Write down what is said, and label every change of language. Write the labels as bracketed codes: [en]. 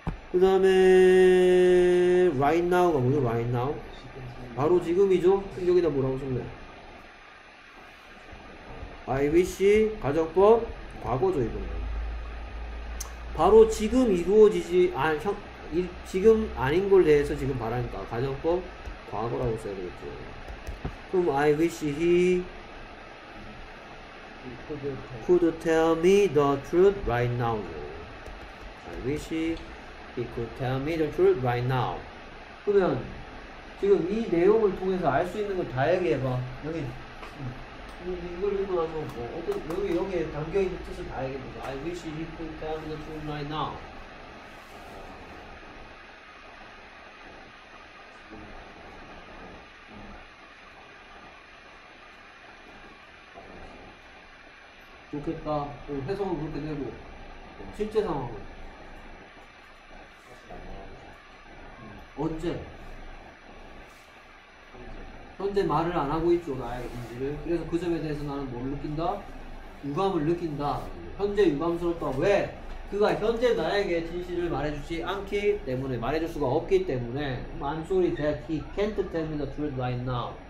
[ko] 그 다음에 right now가 뭐죠? right now 바로 지금이죠? 여기다 뭐라고 썼네. I wish 가정법 과거죠. 이번에 바로 지금 이루어지지 아니 형, 이, 지금 아닌 걸 대해서 지금 바라니까 가정법 과거라고 써야 되겠죠. [en] 그럼 I wish he could tell me the truth right now. I wish he could tell me the truth right now. [ko] 그러면 지금 이 내용을 통해서 알 수 있는 걸 다 얘기해봐. 여기 이걸 읽고 나서 뭐 어떤 여기 여기에 담겨 있는 뜻을 다 얘기해봐. [en] I wish he could tell me the truth right now. [ko] 좋겠다. 해석을 그렇게 내고 실제 상황은 언제? 현재 말을 안 하고 있죠. 나의 인지를. 그래서 그 점에 대해서 나는 뭘 느낀다? 유감을 느낀다. 현재 유감스럽다. 왜? 그가 현재 나에게 진실을 말해주지 않기 때문에, 말해줄 수가 없기 때문에. [en] I'm sorry that he can't tell me the truth right now.